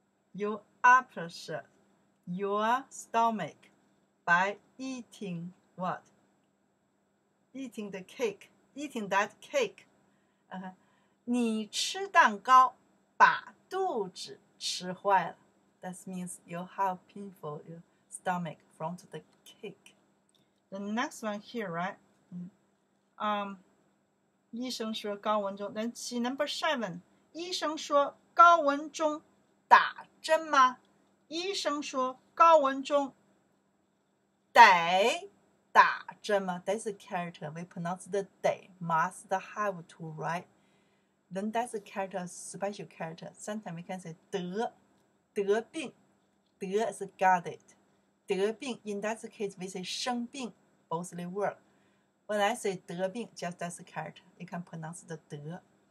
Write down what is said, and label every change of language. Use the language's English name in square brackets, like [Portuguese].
[English] You upset your stomach by eating what? Eating the cake. Eating that cake. [Chinese] 你吃蛋糕把肚子吃坏了。 [English] That means you have painful your stomach from the cake. The next one here, right? [Chinese] 医生说高文中 [English] Then see number 7. [Chinese] 医生说高文中打针吗？医生说高文中得打针吗？ [English] That's a character. We pronounce the de, must have to, right? Then that's a character, special character. Sometimes we can say 得病 得 is got it. 得病 In that case, we say 生病Both they work. When I say 得病 just as a character, you can pronounce the 得.